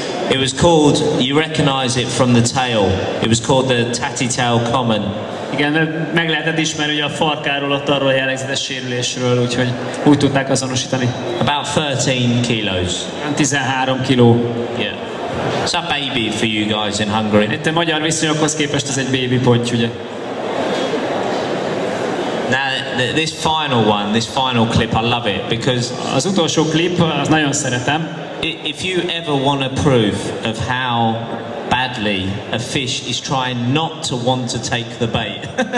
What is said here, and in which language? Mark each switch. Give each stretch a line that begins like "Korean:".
English: It was called, you recognize it from the tail, it was called the tatty tail common.
Hungarian: Igen, meg lehetett ismerni ugye a farkáról, ott arról a jellegzetes sérülésről, úgyhogy úgy tudták azonosítani.
English: About 13 kilos.
Hungarian: 13 kiló.
English: Yeah. It's a baby for you guys in Hungary.
Hungarian: Itt a magyar viszonyokhoz képest ez egy baby ponty, ugye.
English: Now, this final clip, I love it, because...
Hungarian: Az utolsó klip, az nagyon szeretem.
English: If you ever want a proof of how badly a fish is trying not to want to take the bait.